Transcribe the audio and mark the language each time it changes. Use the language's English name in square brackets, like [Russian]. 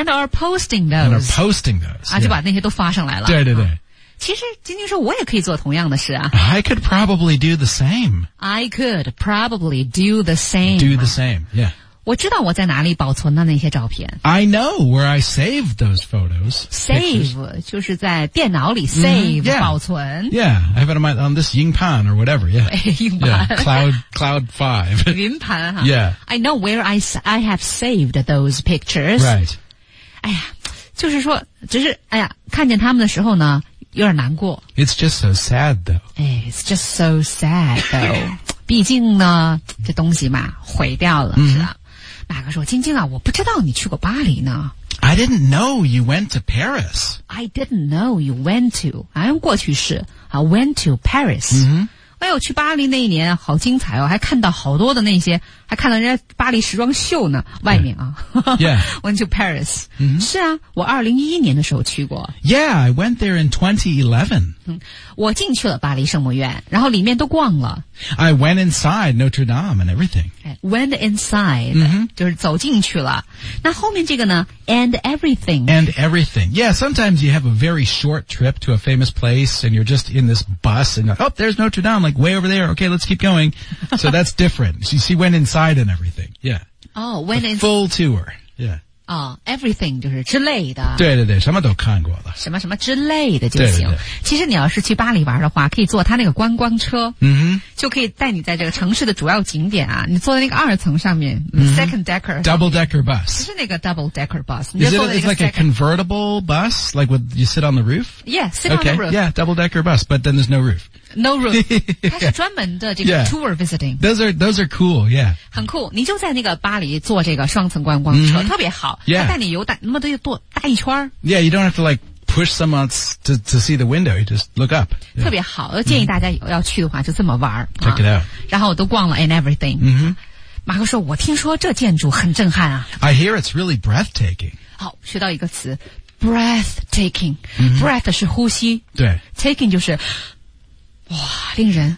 [English] And are posting those. And are posting those.、 [Chinese] 就把那些都发上来了。对对对。其实今天说我也可以做同样的事啊。 [English] I could probably do the same. I could probably do the same. Do the same, yeah. [Chinese] 我知道我在哪里保存的那些照片。 [English] I know where I saved those photos. Save,、 pictures. [Chinese] 就是在电脑里 save,、 [English] yeah. [Chinese] 保存。 [English] Yeah, I have it on this 硬盘 or whatever, yeah. [Chinese] 硬盘。 [English] Yeah, cloud 5. [Chinese] 云盘哈。 [English] Yeah. I know where I have saved those pictures. Right. [Chinese] 哎呀就是说只是哎呀看见他们的时候呢有点难过。 [English] It's just so sad though. It's just so sad though. [Chinese] 毕竟呢这东西嘛毁掉了、是吧马克说晶晶啊我不知道你去过巴黎呢。 [English] I didn't know you went to Paris. I didn't know you went to, [Chinese] 用过去式 [English] I went to Paris.、 Mm-hmm. [Chinese] 哎呦去巴黎那一年好精彩哦还看到好多的那些还看到人家巴黎时装秀呢外面啊。 [English] Yeah. went to Paris.、 Mm-hmm. [Chinese] 是啊我2011年的时候去过。 [English] Yeah, I went there in 2011.、 [Chinese] 我进去了巴黎圣母院然后里面都逛了。 [English] I went inside Notre Dame and everything. Went inside,、 [Chinese] 就是走进去了。那后面这个呢 [English] and everything. And everything. Yeah, sometimes you have a very short trip to a famous place and you're just in this bus and you're like, oh, there's Notre Dame, like way over there. Okay, let's keep going. So that's different. She went inside and everything. Yeah. Oh, went inside. Full tour. Yeah. [Chinese] Everything 就是之类的。对对对，什么都看过了。什么什么之类的就行。对对对，其实你要是去巴黎玩的话，可以坐他那个观光车，嗯，就可以带你在这个城市的主要景点啊。你坐在那个二层上面，嗯， [English] second decker double decker bus， [Chinese] 不是那个 [English] double decker bus， is it it's like a convertible bus like with you sit on the roof？ Yeah， sit on the roof。 Yeah， double decker bus， but then there's no roof。 No room， [Chinese] 它是专门的这个 [English] tour visiting。 Yeah. Those are cool， yeah。 [Chinese] 很酷，你就在那个巴黎坐这个双层观光车， mm-hmm. 特别好。 [English] Yeah， [Chinese] 它带你游大那么多多大一圈。 [English] Yeah， you don't have to like push someone to see the window， you just look up、yeah.。 [Chinese] 特别好，建议大家要去的话就这么玩。 Mm-hmm. 啊、 [English] Check it out。 [Chinese] 然后我都逛了 [English] and everything。嗯哼。 [Chinese] 马克说：“我听说这建筑很震撼啊。 [English] ”I hear it's really breathtaking。 [Chinese] 好，学到一个词 ，breathtaking、mm-hmm.。 Breath 是呼吸，对，taking 就是。哇，令人